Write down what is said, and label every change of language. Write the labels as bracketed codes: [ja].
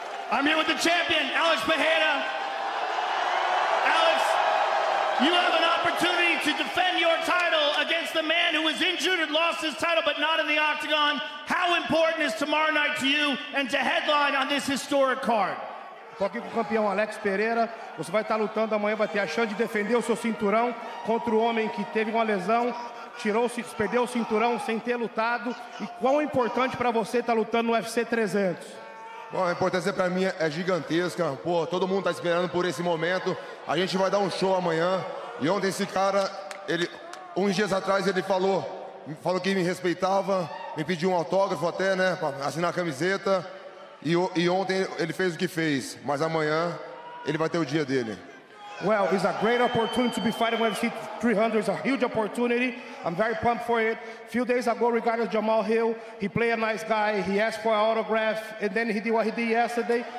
[en] I'm here with the champion, Alex Pereira. Alex, you have an opportunity to defend your title against the man who was injured and lost his title, but not in the octagon. How important is tomorrow night to you and to headline on this historic card? [pt] Estou aqui com o campeão Alex Pereira. Você vai estar lutando amanhã, vai ter a chance de defender o seu cinturão contra o homem que teve uma lesão, perdeu o cinturão sem ter lutado. E quão importante para você estar lutando no UFC 300? Bom, a importância para mim é gigantesca. Pô, todo mundo está esperando por esse momento. A gente vai dar um show amanhã. E ontem esse cara, uns dias atrás ele falou que me respeitava, me pediu um autógrafo até, né, para assinar a camiseta. E ontem ele fez o que fez, mas amanhã ele vai ter o dia dele. [en] Well, it's a great opportunity to be fighting UFC 300. It's a huge opportunity. I'm very pumped for it. A few days ago, regarding Jamahal Hill, he played a nice guy. He asked for an autograph, and then he did what he did yesterday.